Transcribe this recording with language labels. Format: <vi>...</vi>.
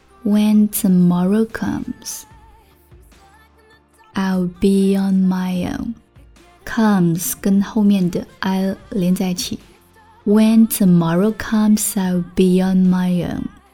<en>When tomorrow comes, I'll be on my own.</en> <zh>Comes 跟后面的 I'll 连在一起。</zh> <en>When tomorrow comes, I'll be on my own.</en>